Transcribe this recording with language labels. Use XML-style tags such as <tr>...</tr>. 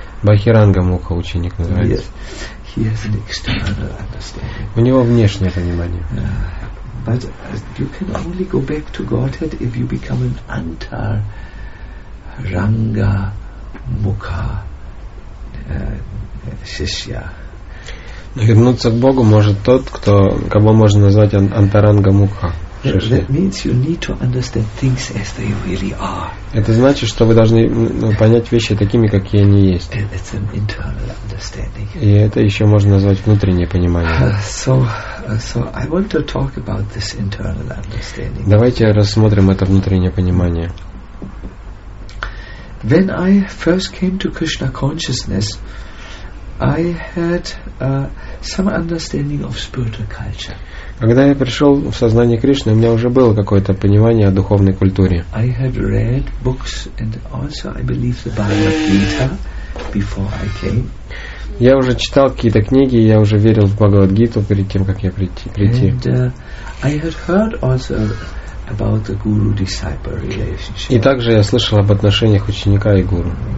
<ru>Бахиранга мукха ученик называется.</ru> <en>Yes. He has an external understanding.</en> <ru>У него внешнее понимание.</ru> <en>But you can only go back to Godhead if you become an antar ranga mukha shishya.</en> <ru>Вернуться к Богу может тот, кто, кого можно назвать антаранга мукха.</ru> <en>That means you need to understand things as they really are.</en> <ru>Это значит, что вы должны понять вещи такими, какие они есть.</ru> <en>And it's an internal understanding.</en> <ru>И это еще можно назвать внутреннее понимание.</ru> <en>So I want to talk about this internal understanding.</en> <ru>Давайте рассмотрим это внутреннее понимание.</ru> <en>When I first came to Krishna consciousness, I had some understanding of spiritual culture.</en> <ru>Когда я пришел в сознание Кришны, у меня уже было какое-то понимание о духовной культуре.</ru> <en>I had read books and also I believe the Bhagavad Gita before I came.</en> <ru>Я уже читал какие-то книги, я уже верил в Бхагавад Гиту перед тем, как я прийти.</ru> <en>And I had heard also about the guru-disciple relationship.</en> <ru>И также я слышал об отношениях ученика и гуру.</ru>